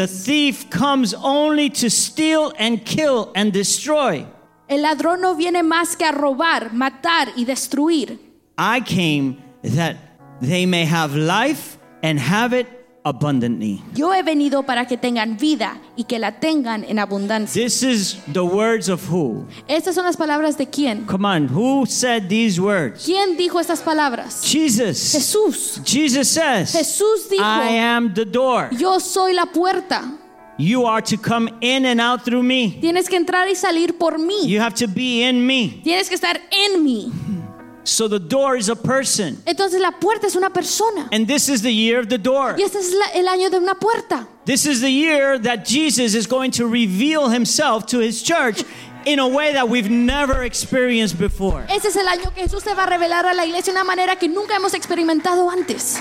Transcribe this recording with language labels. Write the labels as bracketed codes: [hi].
[en] The thief comes only to steal and kill and destroy. [es] El ladrón no viene más que a robar, matar y destruir. [en] I came that they may have life and have it abundantly. [es] Yo he venido para que tengan vida y que la tengan en abundancia. [en] This is the words of who? [es] Estas son las palabras de quién? [en] Come on, who said these words? [es] ¿Quién dijo estas palabras? [en] Jesus. [es] Jesús. [en] Jesus says, [es] Jesús dijo, [en] I am the door. [es] Yo soy la puerta. [en] You are to come in and out through me. [es] Tienes que entrar y salir por mí. [en] You have to be in me. [es] Tienes que estar en mí. [en] So the door is a person. [es] Entonces la puerta es una persona. [en] And this is the year of the door. [es] Y este es el año de una puerta. [en] This is the year that Jesus is going to reveal himself to his church in a way that we've never experienced before. [es] Este es el año que Jesús se va a revelar a la iglesia de una manera que nunca hemos experimentado antes.